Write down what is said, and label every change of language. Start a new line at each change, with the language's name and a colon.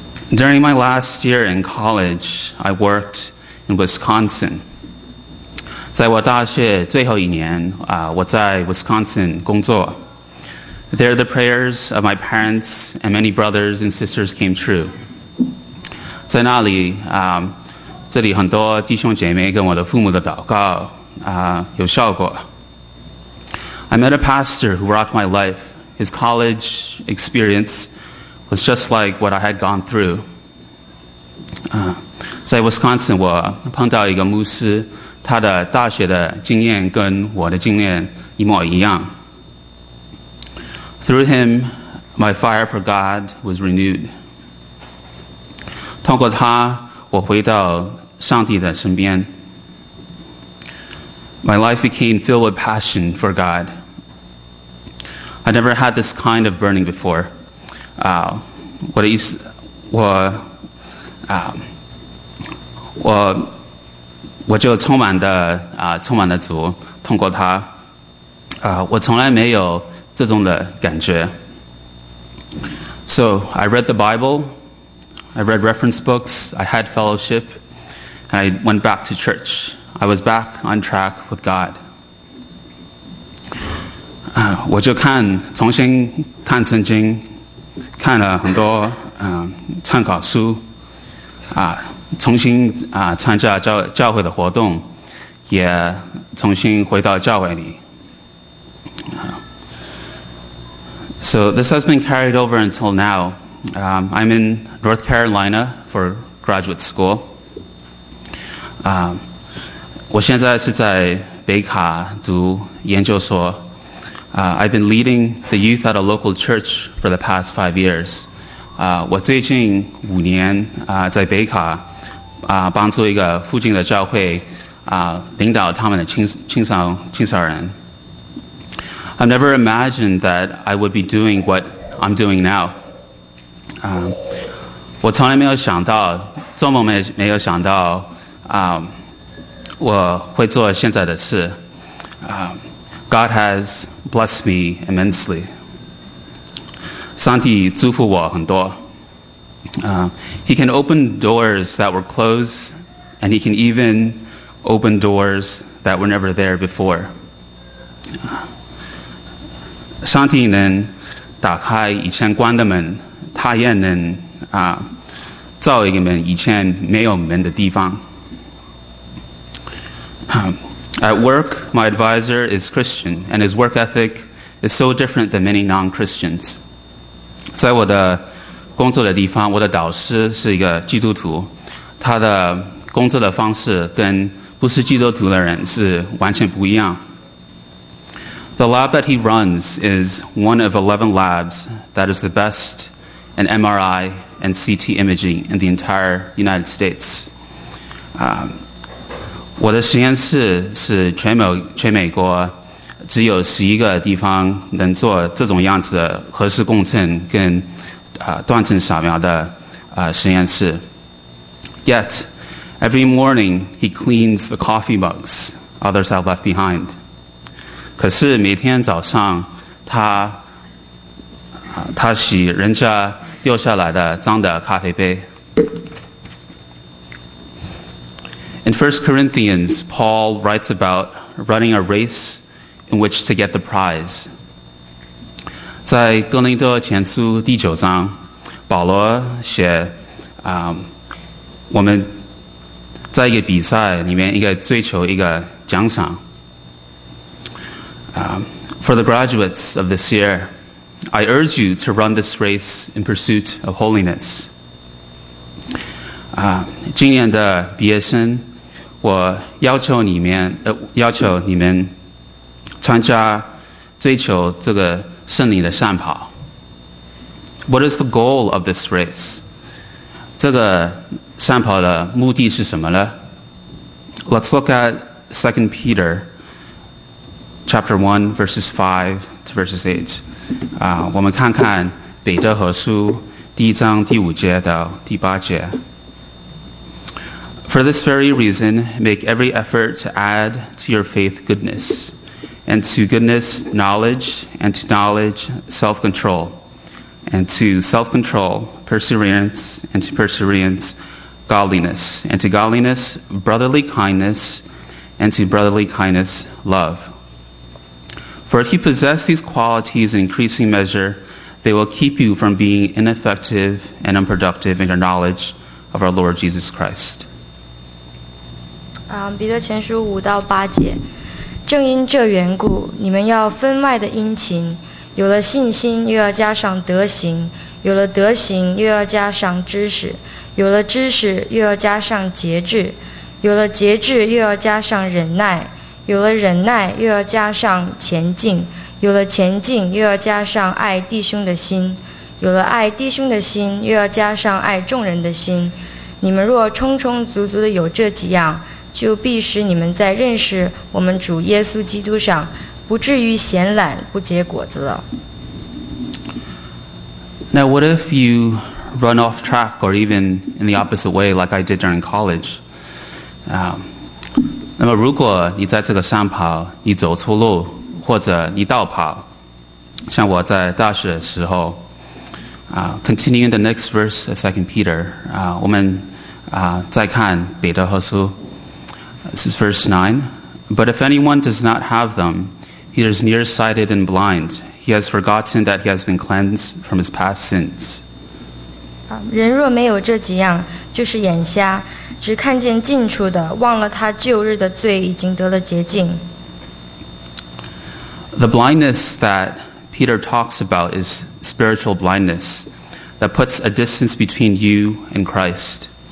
English: During my last year in college, I worked in Wisconsin.
Chinese: 在我大学最后一年，我在 Wisconsin 工作。
English: There the prayers of my parents and many brothers and sisters came true.
Chinese: 在那里，这里很多弟兄姐妹跟我的父母的祷告，有效果。
English: I met a pastor who rocked my life. His college experience was just like what I had gone through.
Chinese: 在 Wisconsin, 我碰到一个牧师，他的大学的经验跟我的经验一模一样。
English: Through him, my fire for God was renewed.
Chinese: 通过他，我回到上帝的身边。
English: My life became filled with passion for God. I never had this kind of burning before.
Chinese: 我的意思，我就充满的主，通过他，我从来没有这种的感觉。
English: So I read the Bible, I read reference books, I had fellowship, and I went back to church. I was back on track with God.
Chinese: 我就看重新看圣经，看了很多参考书，重新参加教会的活动，也重新回到教会里。
English: So this has been carried over until now. I'm in North Carolina for graduate school.
Chinese: 我现在是在北卡读研究所。
English: I've been leading the youth at a local church for the past 5 years.
Chinese: 我最近五年在北卡帮助一个附近的教会领导他们的青少人。
English: I never imagined that I would be doing what I'm doing now.
Chinese: 我从来没有想到，做梦没有想到，我会做现在的事。
English: God has blessed me immensely.
Chinese: 上帝祝福我很多。
English: He can open doors that were closed, and He can even open doors that were never there before.
Chinese: 上帝能打开以前关的门，他也能造一个门以前没有门的地方。
English: At work, my advisor is Christian, and his work ethic is so different than many non-Christians.
Chinese: 在我的工作的地方，我的导师是一个基督徒，他的工作的方式跟不是基督徒的人是完全不一样。
English: The lab that he runs is one of 11 labs that is the best in MRI and CT imaging in the entire United States.
Chinese: 我的实验室是全美国只有十一个地方能做这种样子的核磁共振跟断层扫描的实验室。
English: Yet, every morning he cleans the coffee mugs others have left behind.
Chinese: 可是每天早上他洗人家丢下来的脏的咖啡杯。
English: In 1 Corinthians, Paul writes about running a race in which to get the prize.
Chinese: 在哥林多前书第九章，保罗写我们在一个比赛里面应该追求一个奖赏。
English: For the graduates of this year, I urge you to run this race in pursuit of holiness.
Chinese: 今年的毕业生，我要求你们参加追求这个圣灵的善跑。
English: What is the goal of this race?
Chinese: 这个善跑的目的是什么呢？
English: Let's look at 2 Peter. Chapter 1, verses 5 to verses 8.
Chinese: 我们看看《彼得后书》 第一章第五节到第八节。
English: For this very reason, make every effort to add to your faith goodness, and to goodness, knowledge, and to knowledge, self-control, and to self-control, perseverance, and to perseverance, godliness, and to godliness, brotherly kindness, and to brotherly kindness, love. For if you possess these qualities in increasing measure, they will keep you from being ineffective and unproductive in your knowledge of our Lord Jesus Christ.
Chinese: 彼得前书五到八节，正因这缘故，你们要分外的殷勤，有了信心又要加上德行，有了德行又要加上知识，有了知识又要加上节制，有了节制又要加上忍耐，有了忍耐又要加上前进，有了前进又要加上爱弟兄的心，有了爱弟兄的心又要加上爱众人的心。你们若充充足足的有这几样，就必使你们在认识我们主耶稣基督上不至于闲懒不结果子了。
English: Now what if you run off track or even in the opposite way like I did during college?
Chinese: 那么如果你在这个上跑你走错路或者你倒跑，像我在大学的时候，
English: continuing the next verse, Second Peter,
Chinese: 我们再看彼得后书。
English: This is verse 9. But if anyone does not have them, he is nearsighted and blind. He has forgotten that he has been cleansed from his past sins.
Chinese: 人若没有这几样，就是眼瞎，只看见近处的，忘了他旧日的罪已经得了洁净。
English: The blindness that Peter talks about is spiritual blindness that puts a distance between you and Christ.